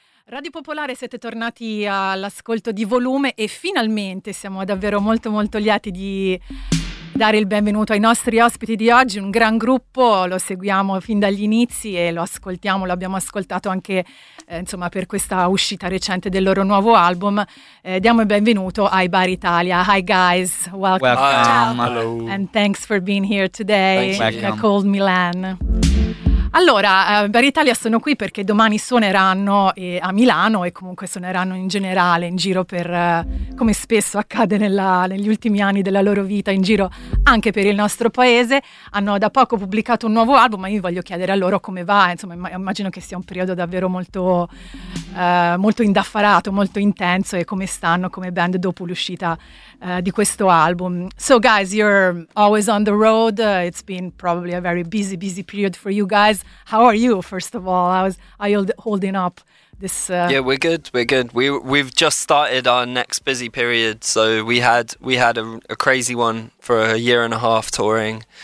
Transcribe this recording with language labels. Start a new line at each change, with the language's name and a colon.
Italian: Radio Popolare, siete tornati all'ascolto di Volume e finalmente siamo davvero molto molto lieti di dare il benvenuto ai nostri ospiti di oggi. Un gran gruppo, lo seguiamo fin dagli inizi e lo ascoltiamo, lo abbiamo ascoltato anche insomma per questa uscita recente del loro nuovo album. Diamo il benvenuto ai Bar Italia.
English: Hi guys, welcome. Hello. And thanks for being here today in a cold Milan.
Italian: Allora, Bar Italia sono qui perché domani suoneranno a Milano e comunque suoneranno in generale in giro per, come spesso accade negli ultimi anni della loro vita, in giro anche per il nostro paese. Hanno da poco pubblicato un nuovo album, ma io voglio chiedere a loro come va. Insomma, immagino che sia un periodo davvero molto, molto indaffarato, molto intenso, e come stanno come band dopo l'uscita di questo album.
English: So guys, you're always on the road. It's been probably a very busy, busy period for you guys. How are you, first of all? How are you holding up this? Yeah, we're good. We're good. We've just started our next busy period. So we had a crazy one for a year and a half touring.